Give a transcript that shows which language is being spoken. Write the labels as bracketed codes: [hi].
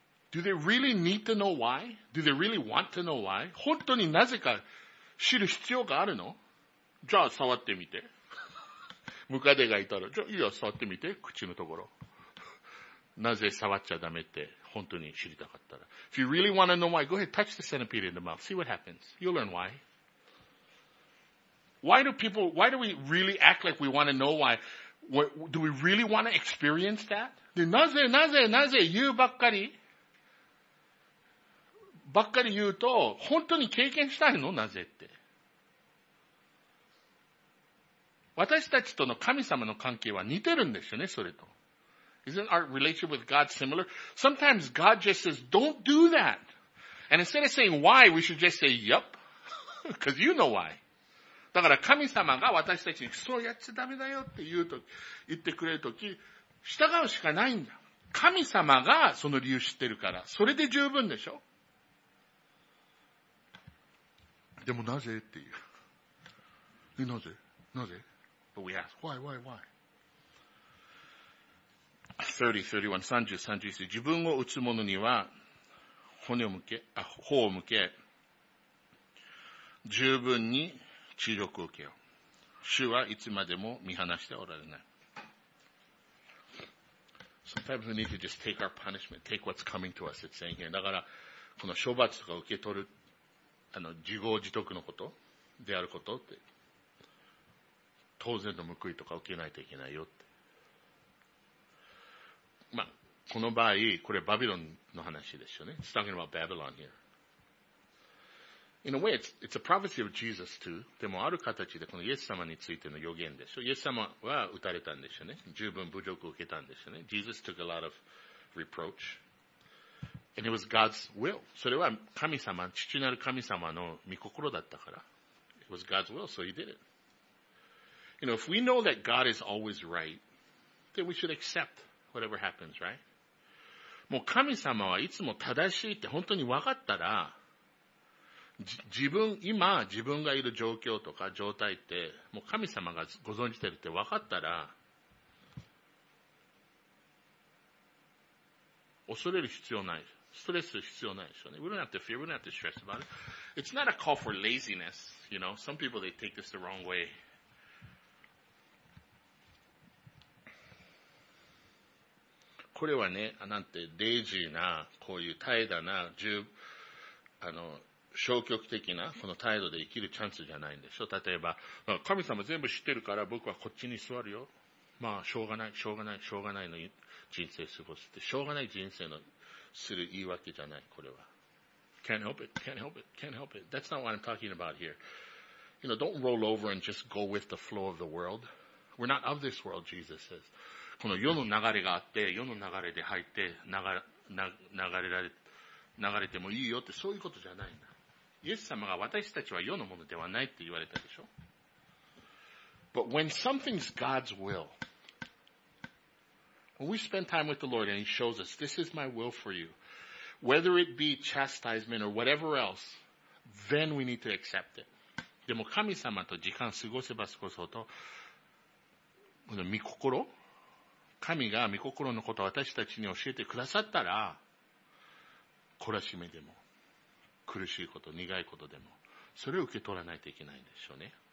[en] ?Do they really need to know why? Do they really want to know why? [ja] 本当になぜか知る必要があるの? じゃあ触ってみて。ムカデがいたら、じゃあいいや、触ってみて。口のところ。なぜ触っちゃダメって。本当に知りたかったら。 [en] If you really want to know why, go ahead, touch the centipede in the mouth. See what happens. You'll learn why. Why do we really act like we want to know why? Do we really want to experience that? [ja] なぜ、なぜ、なぜ言うばっかり言うと、本当に経験したいの?なぜって。私たちとの神様の関係は似てるんですよね、それと。 [en] Isn't our relationship with God similar? Sometimes God just says, don't do that. And instead of saying why, we should just say, yup. Because you know why. [ja] だから神様が私たちにそうやっちゃダメだよって言うと、言ってくれるとき、従うしかないんだ。神様がその理由知ってるから、それで十分でしょ? でもなぜっていう。え、なぜ?なぜ? [en] But we ask, why? [ja] 30, 31, 30, 31節。自分を打つ者には、頬を向け、十分に注力を受けよう。主はいつまでも見放しておられない。 [en] Sometimes we need to just take our punishment, take what's coming to us, it's saying here. [ja] だから、この処罰とか受け取る、自業自得のことであることって、当然の報いとか受けないといけないよって。まあ、この場合、これバビロンの話ですよね。 [en] It's talking about Babylon here. In a way, it's a prophecy of Jesus too. [ja] でもある形でこのイエス様についての予言でしょ。イエス様は打たれたんですよね。十分侮辱を受けたんですよね。 [en] Jesus took a lot of reproach. And it was God's will. [ja] それは神様、父なる神様の御心だったから。 [en] It was God's will, so he did it. You know, if we know that God is always right, then we should accept. Whatever happens, right? [ja] もう神様はいつも正しいって本当に分かったら、自分、今自分がいる状況とか状態って、もう神様がご存じてるって分かったら、恐れる必要ない。ストレス必要ないでしょうね。 [en] We don't have to fear, we don't have to stress about it. It's not a call for laziness, you know. Some people, they take this the wrong way. [ja] これはね、なんて、レイジーな、こういう怠惰な、消極的な、この態度で生きるチャンスじゃないんでしょ。例えば、神様全部知ってるから僕はこっちに座るよ。まあ、しょうがない、しょうがない、しょうがないの人生過ごすって、しょうがない人生のする言い訳じゃない、これは。 [en] Can't help it, can't help it, can't help it. That's not what I'm talking about here. You know, don't roll over and just go with the flow of the world. We're not of this world, Jesus says. [ja] この世の流れがあって、世の流れで入って、流れてもいいよって、そういうことじゃないんだ。イエス様が私たちは世のものではないって言われたでしょ。 [en] But when something's God's will, when we spend time with the Lord and He shows us, this is my will for you, whether it be chastisement or whatever else, then we need to accept it. [ja] でも神様と時間過ごせば過ごすほど、この御心、神が御心のことを私たちに教えてくださったら、懲らしめでも、苦しいこと、苦いことでも、それを受け取らないといけないんでしょうね。